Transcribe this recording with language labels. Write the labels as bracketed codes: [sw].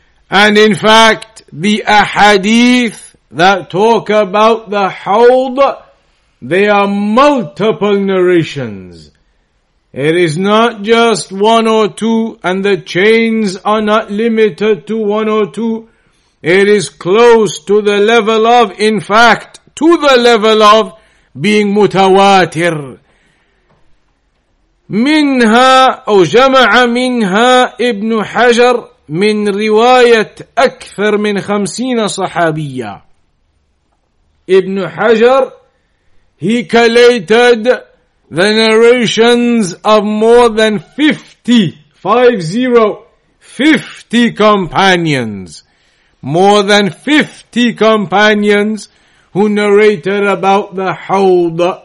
[en] And in fact, the ahadith that talk about the hawd, they are multiple narrations. It is not just one or two, and the chains are not limited to one or two. It is close to the level of, in fact, to the level of being mutawatir. [ar] Minha, أو جمع منها ابن حجر من رواية أكثر من 50 صحابية. [en] Ibn Hajar, he collated the narrations of more than 50 companions. More than 50 companions who narrated about the hawd.